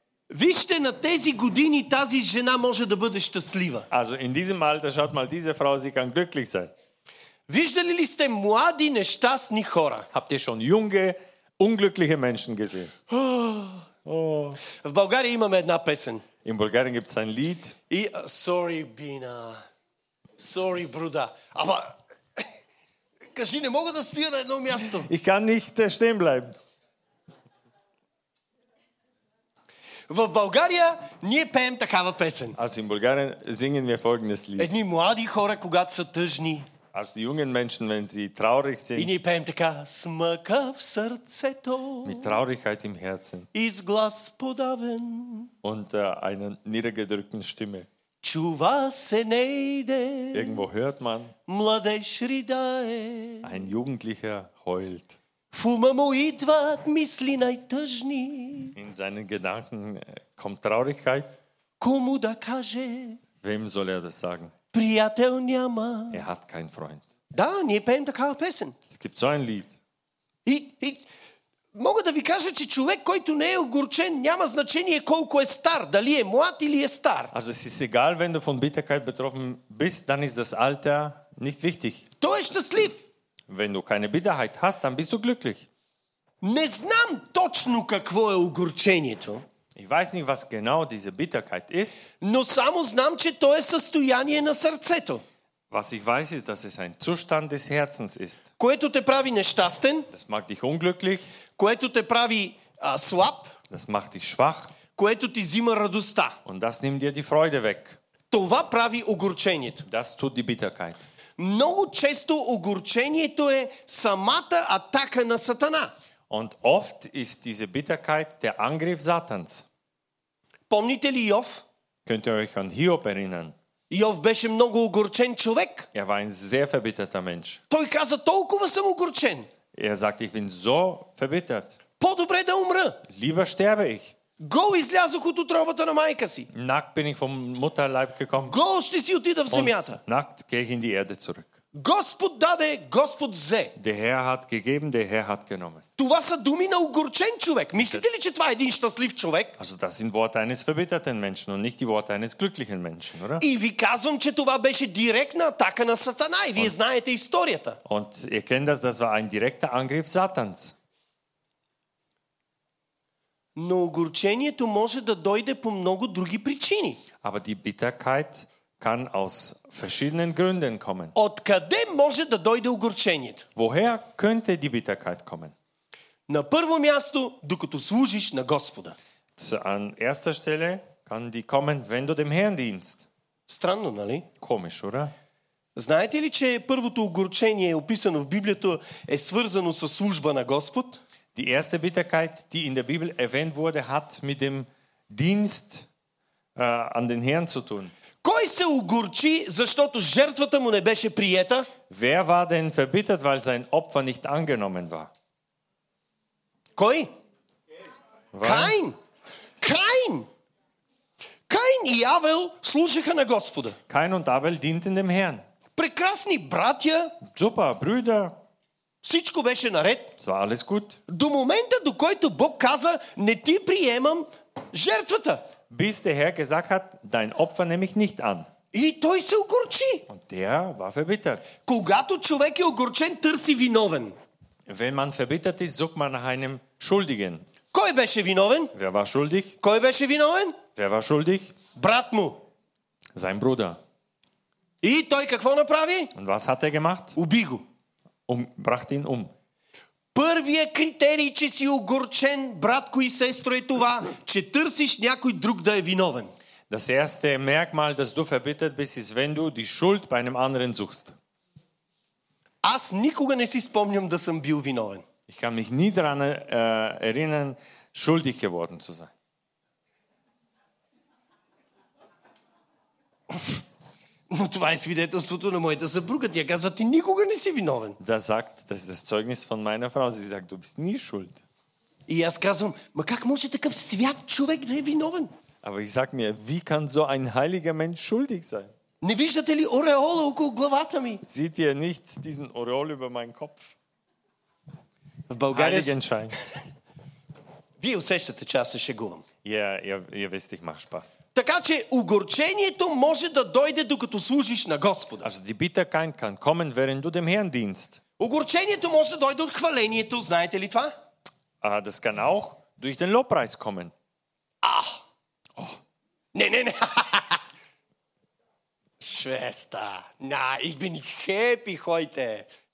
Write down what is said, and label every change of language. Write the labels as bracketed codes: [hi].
[bg] Вижте, на тези години тази жена може да бъде щастлива. [de] Also in diesem Alter schaut mal diese Frau, sie kann glücklich sein. [bg] Виждали ли сте млади нещастни хора? [de] Habt ihr schon junge unglückliche Menschen gesehen? [bg] В България имаме една песен. [de] In Bulgarien gibt's ein Lied. [bg] И [en] sorry Bina. Sorry [de] Bruder. Aber [bg] кажи, не мога да спя на едно място. [de] Ich kann nicht stehen bleiben. [bg] В България ние пеем такава песен. [de] Also in Bulgarien singen wir folgendes Lied. [bg] Едни млади хора, когато са тъжни. [de] Also die jungen Menschen, wenn sie traurig sind. [bg] И ние пеем така: смъка в сърцето. [de] Mit Traurigkeit im Herzen. [bg] Из глас подавен. [de] Und einer niedergedrückten Stimme. [bg] Чува се нейде. [de] Irgendwo hört man. [bg] Младеж ридае. [de] Ein Jugendlicher heult. [bg] Фума му идват мисли най-тъжни. [de] In seinen Gedanken kommt Traurigkeit. [bg] Кому да каже? [de] Wem soll er das sagen? [bg] Приятел няма. [de] Er hat keinen Freund. [bg] Да, ние пеем такава песен. [de] Es gibt so ein Lied. [bg] И мога да ви кажа, че човек, който не е огорчен, няма значение колко е стар, дали е млад или е стар. [de] Also es ist egal, wenn du von Bitterkeit betroffen bist, dann ist das Alter nicht wichtig. [bg] Той е щастлив. [de] Wenn du keine Bitterheit hast, dann bist du glücklich. [bg] Не знам точно какво е огорчението. [de] Ich weiß nicht, was genau diese Bitterkeit ist. [bg] Но само знам, че то е състояние на сърцето. [de] Was ich weiß ist, dass es ein Zustand des Herzens ist. [bg] Което те прави нещастен. [de] Das macht dich unglücklich. [bg] Което те прави слаб. [de] Das macht dich schwach. [bg] Което ти взима радостта. [de] Und das nimmt dir die Freude weg. [bg] Това прави огорчението. [de] Das tut die Bitterkeit. [bg] Много често огорчението е самата атака на Сатана. [de] Und oft ist diese Bitterkeit der Angriff Satans. [bg] Помните ли Йов? [de] Könnt ihr euch an Hiob erinnern? [bg] Йов беше много огорчен човек. [de] Er war ein sehr verbitterter Mensch. [bg] Той каза: толкова съм огорчен. [de] Er sagt, ich bin so verbittert. [bg] По-добре да умра. [de] Lieber sterbe ich. [bg] Гол излязох от утробата на майка си. [de] Nackt bin ich vom Mutterleib gekommen. [bg] Гол ще си отида в земята. [de] Nackt gehe ich in die Erde zurück. [bg] Господ даде, Господ взе. [de] Der Herr hat gegeben, der Herr hat genommen. [bg] Това са думи на огорчен човек. Мислите ли, че това е един щастлив човек? [de] Also das sind Worte eines verbitterten Menschen und nicht die Worte eines glücklichen Menschen, oder? [bg] И ви казвам, че това беше директна атака на Сатана и вие знаете историята. [de] Und ihr kennt das, das war ein direkter Angriff Satans. [bg] Но огорчението може да дойде по много други причини. [de] Aber die Bitterkeit kann aus verschiedenen Gründen kommen. [bg] Откъде може да дойде огорчението? [de] Woher könnte die Bitterkeit kommen? [bg] На първо място, докато служиш на Господа. [de] An erster Stelle kann die kommen, wenn du dem Herrn dienst. [bg] Странно, нали? [de] Komisch, oder? [bg] Знаете ли, че първото огорчение, описано в Библията, е свързано с служба на Господ? [de] Die erste Bitterkeit, die in der Bibel erwähnt wurde, hat mit dem Dienst an den Herrn zu tun. [bg] Кой се огорчи, защото жертвата му не беше приета? [de] Wer war denn verbittert, weil sein Opfer nicht angenommen war? [bg] Кой? Каин. Каин. Каин и Авел служиха на Господа. [de] Каин und Авел dienten dem Herrn. [bg] Прекрасни братя. [de] Супер, брюйда. [bg] Всичко беше наред. Това е всичко. До момента, до който Бог каза, не ти приемам жертвата. [de] Bis der Herr gesagt hat, dein Opfer nehme ich nicht an. [bg] И той се огорчи. [de] Und der war verbittert. [bg] Когато човек е огорчен, търси виновен. [de] Wenn man verbittert ist, sucht man nach einem Schuldigen. [bg] Кой беше виновен? [de] Wer war schuldig? [bg] Кой беше виновен? [de] Wer war schuldig? [bg] Брат му. [de] Sein Bruder. [bg] И той какво направи? [de] Und was hat er gemacht? [bg] Уби го. [de] Brachte ihn um. [bg] Първият критерий, че си огорчен, братко и сестро, е това, че търсиш някой друг да е виновен. [de] Das erste Merkmal, dass du verbittert bist, ist, wenn du die Schuld bei einem anderen suchst. [bg] Аз никога не си спомням да съм бил виновен. [de] Ich kann mich nie daran erinnern, schuldig geworden zu sein. [bg] Но това е свидетелството на моята съпруга. Тя казва, ти никога не си виновен. [de] Das sagt, das ist das Zeugnis von meiner Frau. Sie sagt, du bist nie schuld. [bg] И аз казвам, ма как може такъв свят човек да е виновен? [de] Aber ich sag mir, wie kann so ein heiliger Mensch schuldig sein? [bg] Не виждате ли ореола около главата ми? [de] Seht ihr nicht diesen Aureol über meinen Kopf? [bg] В България... [de] Heiligenschein. [bg] Вие усещате, че аз се шегувам. [de] Ihr wisst, ich mach Spaß. [bg] Така че огорчението може да дойде, докато служиш на Господа. [de] Also die Bitterkeit kann kommen, während du dem Herrn dienst. [bg] Огорчението може да дойде от хвалението, знаете ли това? [de] Das kann auch durch den Lobpreis kommen. Ah. Oh. [bg] Не. [de] Schwester, na, ich bin happy heute.